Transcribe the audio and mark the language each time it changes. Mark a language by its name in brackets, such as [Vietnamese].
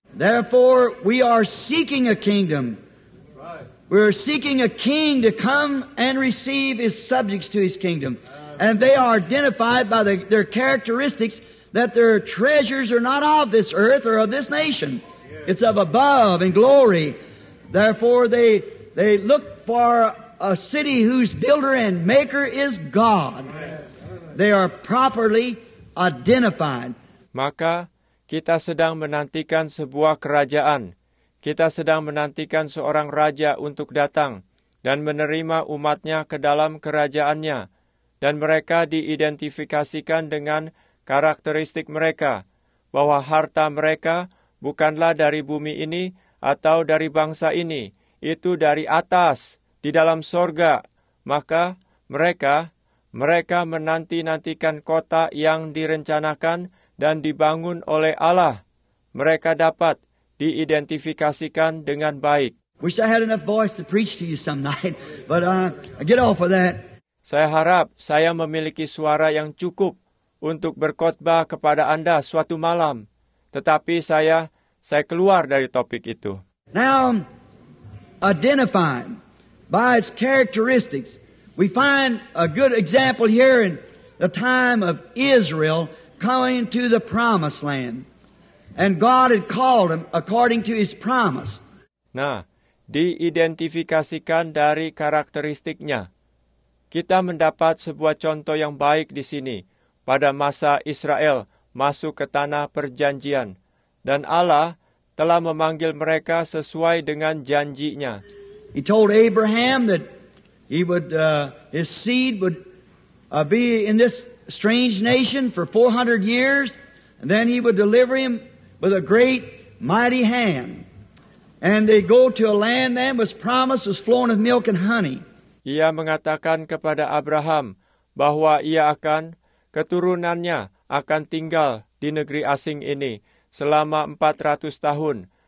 [English] Therefore, we are seeking a kingdom. We are seeking a king to come and receive his subjects to his kingdom. And they are identified by their characteristics that their treasures are not of this earth or of this nation. It's of above and glory. Therefore, they look for a city whose builder and maker is God. They are properly identified. [Indonesian] Maka kita sedang menantikan sebuah kerajaan. Kita sedang menantikan seorang raja untuk datang dan menerima umatnya ke dalam kerajaannya. Dan mereka diidentifikasikan dengan karakteristik mereka, bahwa harta mereka bukanlah dari bumi ini atau dari bangsa ini. Itu dari atas, di dalam sorga. Maka mereka menanti-nantikan kota yang direncanakan dan dibangun oleh Allah. Mereka dapat diidentifikasikan dengan baik. [English] Wish I had enough voice to preach to you some night, but I get off of that. [Indonesian] Saya harap saya memiliki suara yang cukup untuk berkhotbah kepada Anda suatu malam. Tetapi saya keluar dari topik itu. [English] Now, identified by its characteristics, we find a good example here in the time of Israel coming to the promised land. And God had called him according to his promise. [Indonesian] Nah, diidentifikasikan dari karakteristiknya. Kita mendapat sebuah contoh yang baik di sini. Pada masa Israel masuk ke tanah perjanjian. Dan Allah telah memanggil mereka sesuai dengan janjinya. [English] He told Abraham that he would his seed would be in this strange nation for 400 years. And then he would deliver him with a great, mighty hand. And they go to a land that was promised, was flowing with milk and honey. [Indonesian] Ia mengatakan kepada Abraham bahwa ia akan, keturunannya akan tinggal di negeri asing ini selama 400 tahun.